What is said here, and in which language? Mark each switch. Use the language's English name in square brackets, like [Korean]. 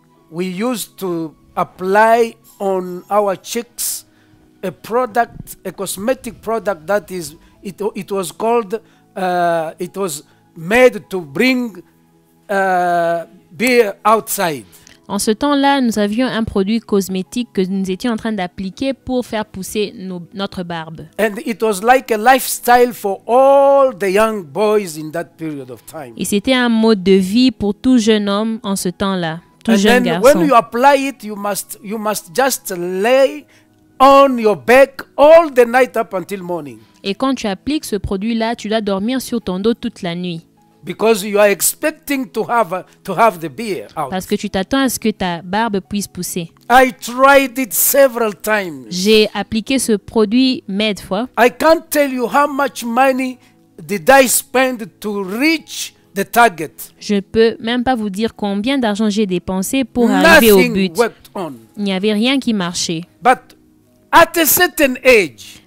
[English] we used to apply on our cheeks a product, a cosmetic product that is it was made to bring beer outside. [French] En ce temps-là, nous avions un produit cosmétique que nous étions en train d'appliquer pour faire pousser notre barbe. [English] And it was like a lifestyle for all the young boys in that period of time. [French] Et c'était un mode de vie pour tout jeune homme en ce temps-là, tout [English] and [French] jeune [English] then, [French] garçon. [English] And when you apply it, you must just lay on your back all the night up until morning. [French] Et quand tu appliques ce produit-là, tu dois dormir sur ton dos toute la nuit. [English] Because you are expecting to have the beard out. [French] Parce que tu t'attends à ce que ta barbe puisse pousser. [English] I tried it several times. [French] J'ai appliqué ce produit maintes fois. [English] I can't tell you how much money did I spend to reach the target. [French] Je peux même pas vous dire combien d'argent j'ai dépensé pour arriver au but. [English] Nothing worked on. [French] Il n'y avait rien qui marchait. [English] But at a certain age.